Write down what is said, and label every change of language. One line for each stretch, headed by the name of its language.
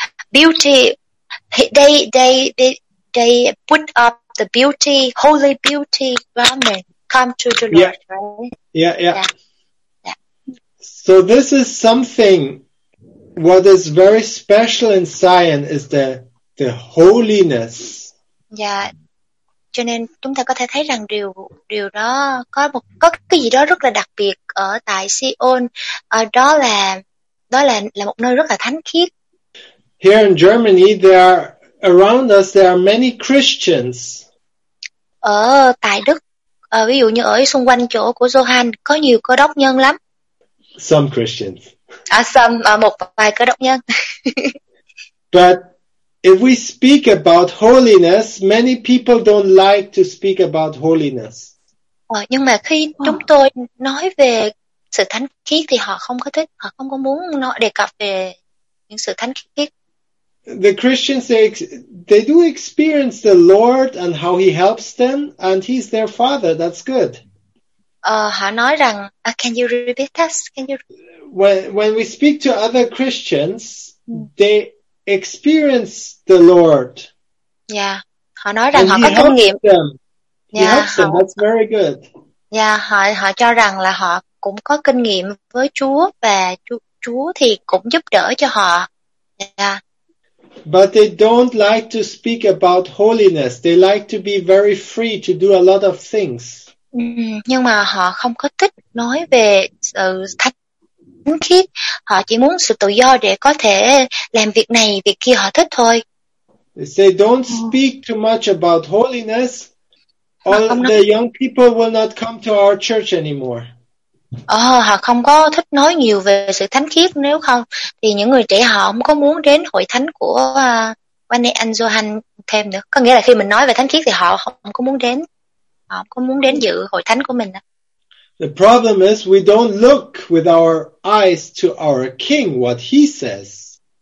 English: Beauty, they put up the beauty, holy beauty garment, come to the Lord. Yeah. Right? Yeah. So this is something, what is very special in Zion is the holiness. Yeah.
Vietnamese: Cho nên chúng ta có thể thấy rằng điều đó có cái gì đó rất là đặc biệt ở tại Sion. Đó là một nơi rất là thánh khiết.
English: Here in Germany, there are many Christians.
Vietnamese: Ở tại Đức, ví dụ như ở xung quanh chỗ của Johan, có nhiều cơ đốc nhân lắm.
English: Some Christians.
Vietnamese: Một vài cơ đốc nhân.
English: But if we speak about holiness, many people don't like to speak about holiness.
Vietnamese: Nhưng mà khi chúng tôi nói về sự thánh khiết thì họ không có thích, họ không có muốn nói đề cập về những sự thánh khiết.
English: The Christians, they do experience the Lord and how he helps them, and he's their father. That's good.
Vietnamese: Họ nói rằng,
English: can you repeat that? Can you? When we speak to other Christians, they experience the Lord.
Vietnamese: Yeah. Họ nói rằng họ có kinh nghiệm.
English: Them. He helps them. That's very good. Yeah.
Vietnamese: Họ cho rằng là họ cũng có kinh nghiệm với Chúa và Chúa thì cũng giúp đỡ cho họ.
English: Yeah. But they don't like to speak about holiness. They like to be very free to do a lot of things.
Vietnamese: Nhưng mà họ không có thích nói về sự thánh khiết. Họ chỉ muốn sự tự do để có thể làm việc này, việc kia họ thích thôi.
English: They say don't speak too much about holiness. All the young people will not come to our church anymore.
Vietnamese: Họ không có thích nói nhiều về sự thánh khiết, nếu không thì những người trẻ họ không có muốn đến hội thánh của Wanne and Johan thêm nữa. Có nghĩa là khi mình nói về thánh khiết thì họ không có muốn đến. Họ không có muốn đến dự hội thánh của mình.
English: The problem is we don't look with our eyes to our king, what he says.